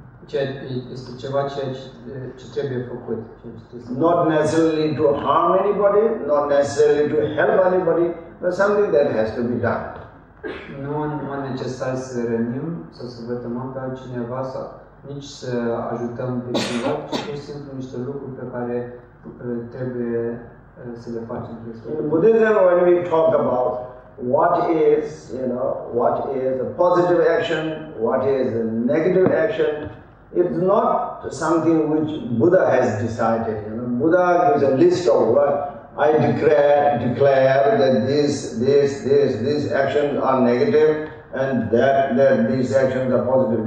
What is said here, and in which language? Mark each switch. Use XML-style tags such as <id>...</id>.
<ro>Ce este ceva ce trebuie făcut.</ro> <en>Not necessarily to harm anybody, not necessarily to help anybody, but something that has to be done.</en> <ro>Nu în mod necesar să rănim sau să vătămăm pe altcineva sau nici să ajutăm pe cineva, ci pur și simplu niște lucruri pe care trebuie să le facem.</ro> <en>In Buddhism, when we talk about what is, you know, what is a positive action, what is a negative action, it's not something which Buddha has decided. You know, Buddha gives a list of what I declare that these actions are negative and that these actions are positive.</en>